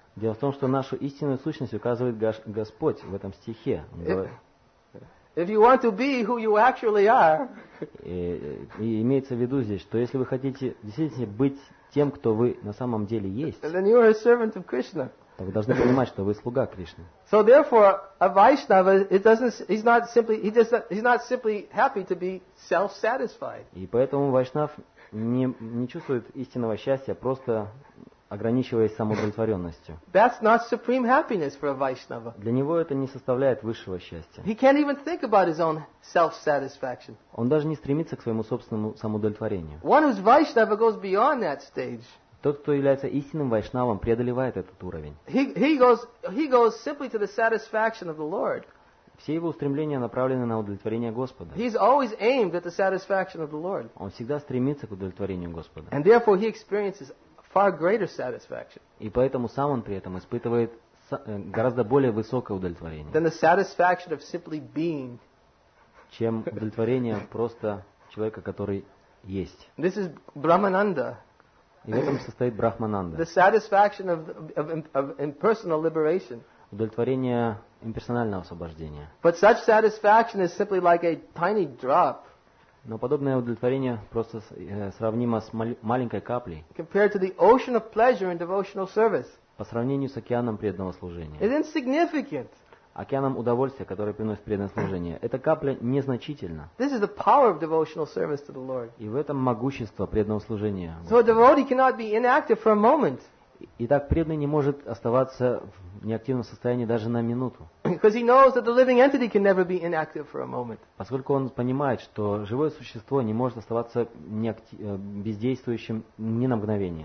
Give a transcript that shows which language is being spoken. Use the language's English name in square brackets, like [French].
[Russian] Дело в том, что нашу истинную сущность указывает Господь в этом стихе. [English] If you want to be who you actually are. [Russian] И имеется в виду здесь, что если вы хотите действительно быть тем, кто вы на самом деле есть, [English] then you are a servant of Krishna. [Russian] Так вы должны понимать, что вы слуга Кришны. [English] So therefore, a Vaishnava, he's not simply happy to be self-satisfied. [Russian] И поэтому вайшнав не чувствует истинного счастья, просто ограничиваясь самоудовлетворенностью. [English] That's not supreme happiness for a Vaishnava. [Russian] Для него это не составляет высшего счастья. [English] He can't even think about his own self-satisfaction. [Russian] Он даже не стремится к своему собственному самоудовлетворению. [English] One who's Vaishnava goes beyond that stage. [Russian] Тот, кто является истинным вайшнавом, преодолевает этот уровень. [English] He goes simply to the satisfaction of the Lord. [Russian] Все его устремления направлены на удовлетворение Господа. [English] He's always aimed at the satisfaction of the Lord. [Russian] Он всегда стремится к удовлетворению Господа. [English] And therefore he experiences far greater satisfaction. [Russian] И поэтому сам он при этом испытывает гораздо более высокое удовлетворение. [English] Than the satisfaction of simply being. [Russian] Чем удовлетворение просто человека, который есть. [English] This is Brahmananda. [Russian] И в этом состоит Брахмананда. [English] The satisfaction of impersonal liberation. [Russian] Удовлетворение имперсонального освобождения. [English] But such satisfaction is simply like a tiny drop. [Russian] Но подобное удовлетворение просто сравнимо с маленькой каплей. [English] Compared to the ocean of pleasure in devotional service. [Russian] По сравнению с океаном преданного служения. [English] It's insignificant. [Russian] Океаном удовольствия, которое приносит преданное служение. Эта капля незначительна. [English] This is the power of devotional service to the Lord. [Russian] И в этом могущество преданного служения. [English] So a devotee cannot be inactive for a moment. [Russian] Итак, преданный не может оставаться в неактивном состоянии даже на минуту. [English] Because he knows that the living entity can never be inactive for a moment. [Russian] Поскольку он понимает, что живое существо не может оставаться бездействующим ни на мгновение.